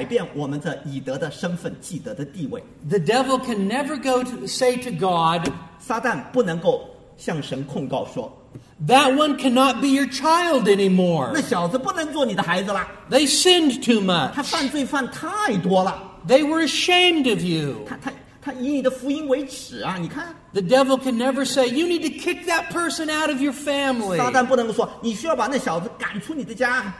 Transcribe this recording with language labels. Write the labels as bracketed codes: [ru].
[zh] 他不能够改变我们的以德的身份, 记得的地位。 [en] The devil can never go to say to God, [zh] 撒旦不能够向神控告说, [en] that one cannot be your child anymore. [zh] 那小子不能做你的孩子了。 [en] They sinned too much. [zh] 他犯罪犯太多了。 [en] They were ashamed of you. [zh] 他以你的福音为耻啊, 你看。 [en] The devil can never say, you need to kick that person out of your family. [zh] 撒旦不能说, 你需要把那小子赶出你的家。